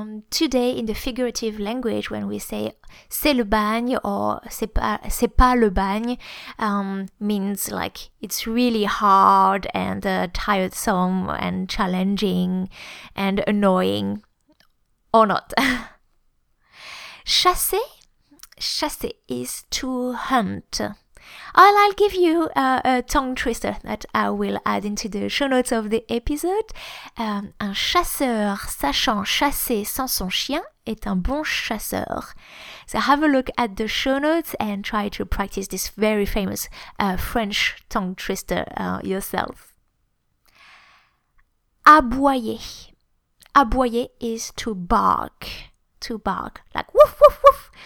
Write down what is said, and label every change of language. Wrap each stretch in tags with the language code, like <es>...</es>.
<en>Today, in the figurative language, when we say</en> <fr>c'est le bagne</fr> <en>or</en> <fr>c'est pas le bagne,</fr> <en>means like it's really hard and tiresome and challenging and annoying, or not. Chasser. chasser is to hunt. I'll give you a tongue twister that I will add into the show notes of the episode.</en> <fr>Un chasseur sachant chasser sans son chien est un bon chasseur.</fr> <en>So have a look at the show notes and try to practice this very famous French tongue twister yourself. Aboyer. Aboyer is to bark. To bark. Like woof, woof, woof.</en>